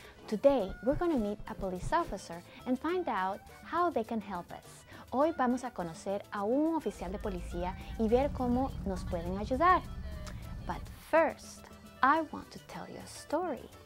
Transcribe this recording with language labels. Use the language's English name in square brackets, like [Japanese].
[English] Today, we're going to meet a police officer and find out how they can help us. [Spanish] Hoy vamos a conocer a un oficial de policía y ver cómo nos pueden ayudar. [English] But first, I want to tell you a story.